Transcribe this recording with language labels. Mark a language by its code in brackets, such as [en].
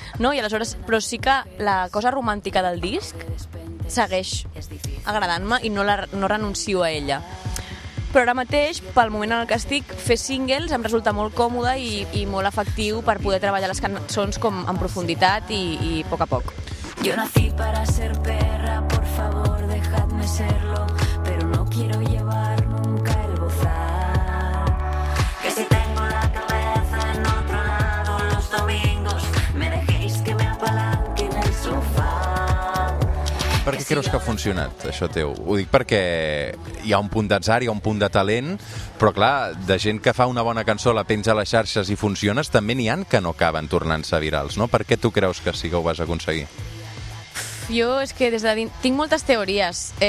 [ca] No, i aleshores, però sí que la cosa romàntica del disc segueix agradant-me i no renuncio a ella. Però ara mateix, pel moment en el que estic, fer singles em resulta molt còmode i molt efectiu per poder treballar les cançons com en profunditat i a poc a poc. [es] Yo nací para ser perra, por favor, dejadme serlo, pero no quiero llevar nunca el bozal. Que si tengo la cabeza en otro lado los domingos, me dejéis que me apalanque en el sofá. [ca] Per què creus que ha funcionat, això teu? Ho dic perquè hi ha un punt d'atzar, hi ha un punt de talent, però clar, de gent que fa una bona cançó, la penja a les xarxes i funciones, també n'hi han que no acaben tornant-se virals, no? Per què tu creus que sí que ho vas aconseguir? Jo és que des de dins tinc moltes teories.